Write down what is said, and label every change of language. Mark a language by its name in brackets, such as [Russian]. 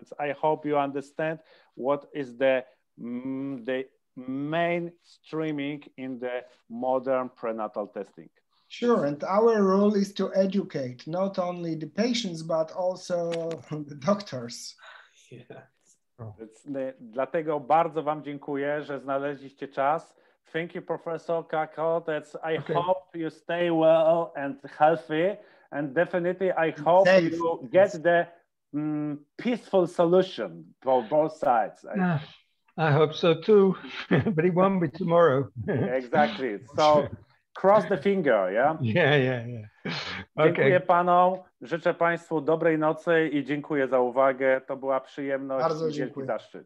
[English] I hope you understand what is the main streaming in the modern prenatal testing. Sure, and our role is to educate not only the patients, but also the doctors. Yeah. [Polish] Dlatego bardzo wam dziękuję, że znaleźliście czas. [English] Thank you, Professor Kakol. Hope you stay well and healthy. And definitely I hope safe. You get the peaceful solution for both sides. I hope so too, but it won't be tomorrow. Exactly. So. Cross the finger, yeah? Yeah, yeah, yeah. Okay. [Polish] Dziękuję panom, życzę państwu dobrej nocy i dziękuję za uwagę. To była przyjemność i wielki zaszczyt.